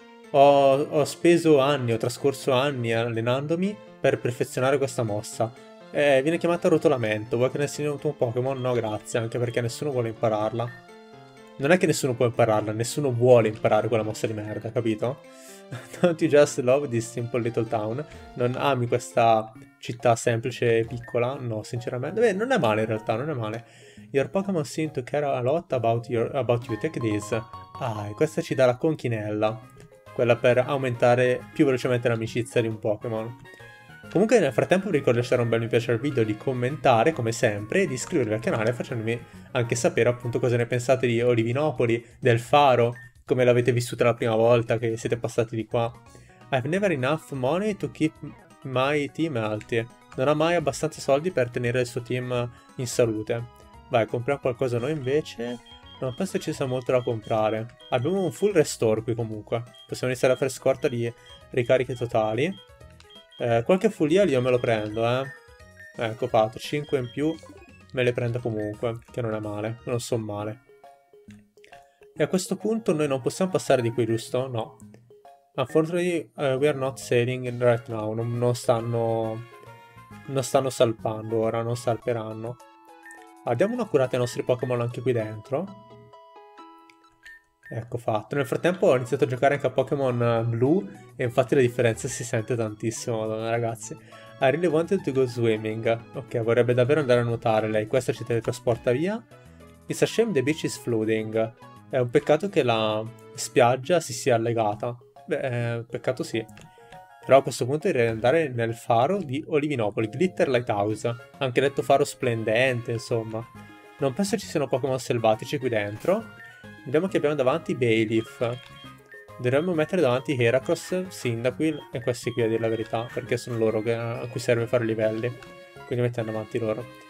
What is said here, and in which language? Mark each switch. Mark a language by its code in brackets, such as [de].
[it] Ho speso anni, ho trascorso anni allenandomi per perfezionare questa mossa. Viene chiamata Rotolamento. Vuoi che ne insegni un tuo Pokémon? No, grazie, anche perché nessuno vuole impararla. Non è che nessuno può impararla, nessuno vuole imparare quella mossa di merda, capito? [en] Don't you just love this simple little town? [it] Non ami questa città semplice e piccola? No, sinceramente. Beh, non è male in realtà, non è male. [en] Your Pokémon seem to care a lot about you. Take this. [it] Ah, e questa ci dà la conchinella. Quella per aumentare più velocemente l'amicizia di un Pokémon. Comunque nel frattempo vi ricordo di lasciare un bel mi piace al video, di commentare come sempre e di iscrivervi al canale facendomi anche sapere appunto cosa ne pensate di Olivinopoli, del faro, come l'avete vissuta la prima volta che siete passati di qua. [en] I've never enough money to keep my team healthy. [it] Non ha mai abbastanza soldi per tenere il suo team in salute. Vai, compriamo qualcosa noi invece. Non penso ci sia molto da comprare. Abbiamo un full restore qui comunque. Possiamo iniziare a fare scorta di ricariche totali. Qualche follia io me lo prendo, eh. Ecco fatto, 5 in più me le prendo comunque, che non è male, non so male. E a questo punto noi non possiamo passare di qui, giusto? No. [en] Unfortunately, we are not sailing right now, [it] non stanno salpando ora, non salperanno. Diamo una curata ai nostri Pokémon anche qui dentro. Ecco fatto. Nel frattempo ho iniziato a giocare anche a Pokémon blu e infatti la differenza si sente tantissimo, ragazzi. [en] I really wanted to go swimming. [it] Ok, vorrebbe davvero andare a nuotare lei. Questa ci teletrasporta via. [en] It's a shame the beach is flooding. [it] È un peccato che la spiaggia si sia allagata. Beh, peccato sì. Però a questo punto direi di andare nel faro di Olivinopoli, Glitter Lighthouse. Anche detto faro splendente, insomma. Non penso ci siano Pokémon selvatici qui dentro. Vediamo che abbiamo davanti Bailiff. Dovremmo mettere davanti Heracross, Cyndaquil e questi qui, a dire la verità, perché sono loro a cui serve fare livelli. Quindi mettiamo davanti loro.